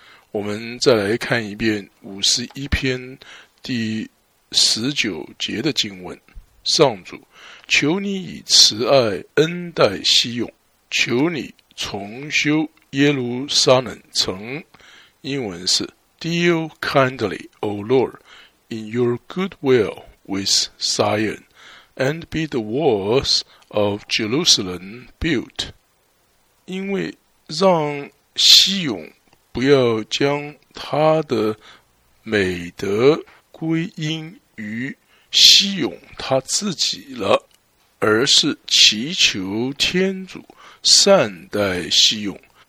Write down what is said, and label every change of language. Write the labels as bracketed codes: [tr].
[zh] 我们再来看一遍51篇第19节的经文，上主求你以慈爱恩待西勇，求你重修耶路撒冷城。英文是 [en] Deal kindly, O Lord, in your goodwill with Zion, and be the walls of Jerusalem built。 [zh] 因为让西勇不要将他的美德归因于西勇他自己了，而是祈求天主善待西勇，